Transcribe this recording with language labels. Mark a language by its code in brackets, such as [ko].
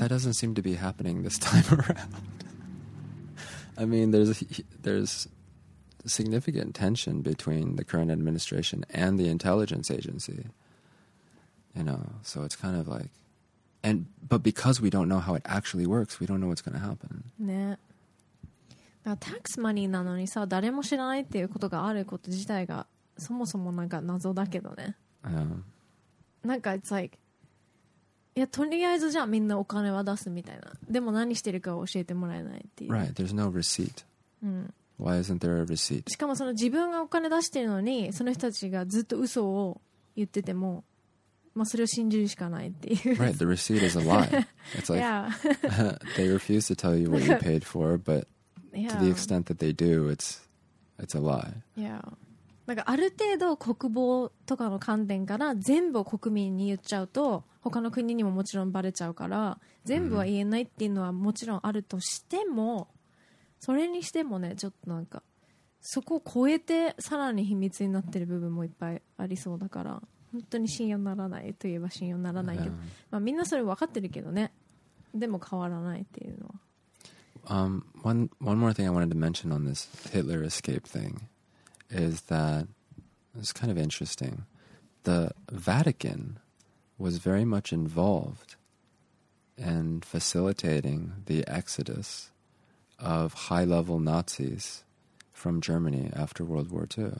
[en] That doesn't seem to be happening this time around. I mean, there's significant tension between the current administration and the intelligence agency, you know, so it's kind of like... And but because we don't know how it actually works, we don't know what's going to happen. Yeah. Tax money [ja] なのにさ、誰も知らないっていうことがあること自体がそもそもなんか謎だけどね。なんか [en] it's like, [ja] いやとりあえずじゃあみんなお金は出すみたいな。でも何してるかを教えてもらえないっていう。 [en] Right. There's no receipt. Why isn't there a receipt? [ja] しかもその自分がお金出してるのに、その人たちがずっと嘘を言ってても。まあそれを信じるしかないっていう。 [en] Right, the receipt is a lie. It's like, yeah. They refuse to tell you what you paid for, but yeah. To the extent that they do, it's a lie. Yeah. [ja] なんかある程度国防とかの観点から全部を国民に言っちゃうと他の国にももちろんバレちゃうから全部は言えないっていうのはもちろんあるとしてもそれにしてもねちょっとなんかそこを超えてさらに秘密になってる部分もいっぱいありそうだから本当に信用ならないといえば信用ならないけど、 [en] yeah. [ja] まあみんなそれ分かってるけどね。でも変わらないっていうのは。 [en] One more thing I wanted to mention on this Hitler escape thing is that it's kind of interesting. The Vatican was very much involved in facilitating the exodus of high-level Nazis from Germany after World War II.